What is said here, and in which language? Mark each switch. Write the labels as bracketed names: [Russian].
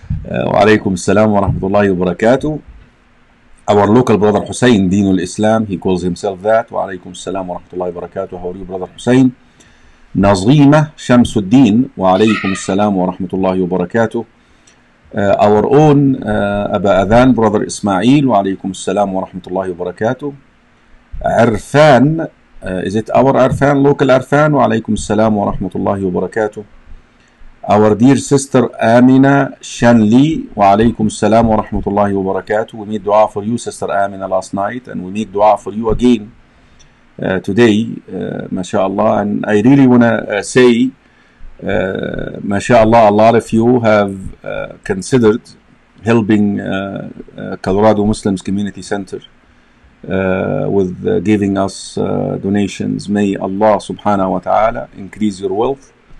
[Arabic] وعليكم السلام ورحمة الله وبركاته. [English] Our local brother حسين دين الإسلام. He calls himself that. [Arabic] وعليكم السلام ورحمة الله وبركاته. [English] How are you, brother حسين؟ [Arabic] نظيمة شمس الدين وعليكم السلام ورحمة الله وبركاته. [English] Our own [Arabic] أبا أذان brother إسماعيل وعليكم السلام ورحمة الله وبركاته. عرفان [English] is it our [Arabic] عرفان local عرفان وعليكم السلام ورحمة الله وبركاته. [English] Our dear sister [Arabic] آمنة شانلي وعليكم السلام ورحمة الله وبركاته. [English] We made dua for you sister آمنة last night and we make dua for you again today, mashallah, and I really want to say, mashallah, a lot of you have considered helping Colorado Muslims Community Center with giving us donations. May Allah subhanahu wa ta'ala increase your wealth.